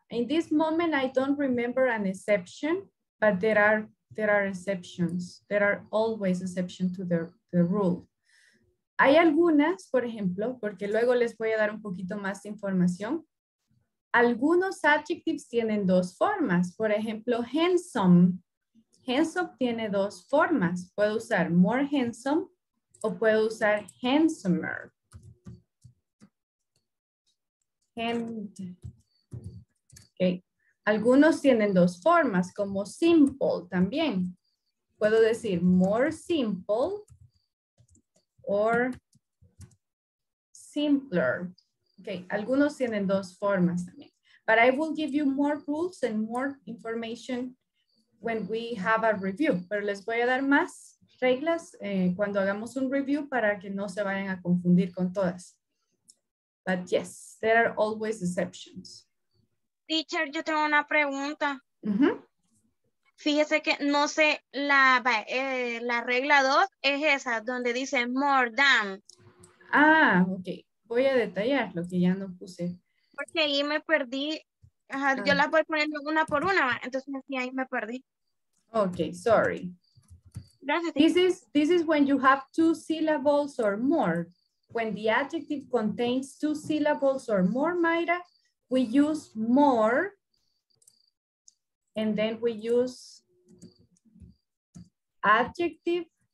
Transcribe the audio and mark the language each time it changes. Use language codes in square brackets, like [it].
[en] In this moment, I don't remember an exception, but there are exceptions. There are always exceptions to the rule. [es] Hay algunas, por ejemplo, porque luego les voy a dar un poquito más de información. Algunos adjectives tienen dos formas. Por ejemplo, handsome. Handsome tiene dos formas. Puedo usar [en] more handsome. [es] O puedo usar handsomer. Okay. Algunos tienen dos formas, como simple también. Puedo decir [en] more simple or simpler. Okay. [es] Algunos tienen dos formas también. [en] But I will give you more rules and more information when we have a review. [es] Pero les voy a dar más reglas cuando hagamos un review para que no se vayan a confundir con todas. [en] But yes, there are always exceptions. [es] Teacher, yo tengo una pregunta. Mm-hmm. Fíjese que no sé, la regla 2 es esa, donde dice more than. Ah, ok. Voy a detallar lo que ya no puse. Porque ahí me perdí. Ajá, ah. Yo la voy poniendo una por una, entonces ahí me perdí. [en] Ok, sorry. [es] Gracias. [en] This is when you have two syllables or more. When the adjective contains two syllables or more, Mayra, we use more. And then we use adjective.